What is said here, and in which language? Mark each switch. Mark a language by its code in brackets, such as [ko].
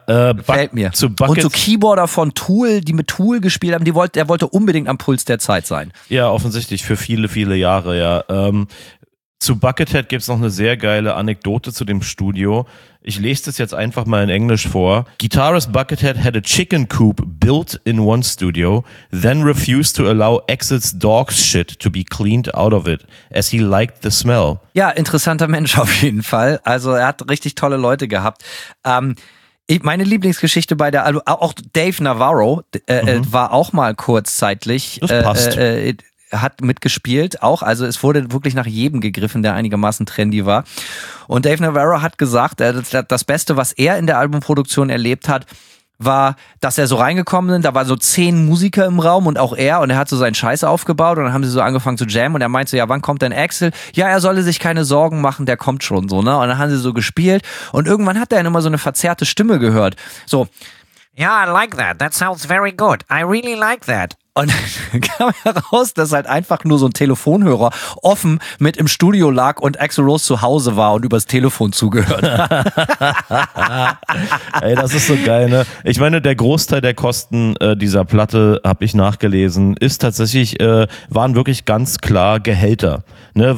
[de] fällt mir. Und so Keyboarder von Tool, die mit Tool gespielt haben, der wollte unbedingt am Puls der Zeit sein. Ja, offensichtlich für viele, viele Jahre, ja. Zu Buckethead gibt's noch eine sehr geile Anekdote zu dem Studio. Ich lese das jetzt einfach mal in Englisch vor. [en] Guitarist Buckethead had a chicken coop built in one studio, then refused to allow Axl's dog shit to be cleaned out of it, as he liked the smell. [de] Ja, interessanter Mensch auf jeden Fall. Also er hat richtig tolle Leute gehabt. Meine Lieblingsgeschichte bei der, also auch Dave Navarro war auch mal kurzzeitig. Das passt. Hat mitgespielt auch, also es wurde wirklich nach jedem gegriffen, der einigermaßen trendy war. Und Dave Navarro hat gesagt, das Beste, was er in der Albumproduktion erlebt hat, war, dass er so reingekommen ist, da waren so 10 Musiker im Raum und auch er, und er hat so seinen Scheiß aufgebaut und dann haben sie so angefangen zu jammen und er meinte so, ja, wann kommt denn Axl? Ja, er solle sich keine Sorgen machen, der kommt schon so, ne? Und dann haben sie so gespielt und irgendwann hat er dann immer so eine verzerrte Stimme gehört. So, [en] ja, yeah, I like that, that sounds very good, I really like that. [de] Und kam heraus, dass halt einfach nur so ein Telefonhörer offen mit im Studio lag und Axl Rose zu Hause war und übers Telefon zugehört. Ey, das ist so geil, ne? Ich meine, der Großteil der Kosten dieser Platte, habe ich nachgelesen, ist tatsächlich, waren wirklich ganz klar Gehälter. Ne?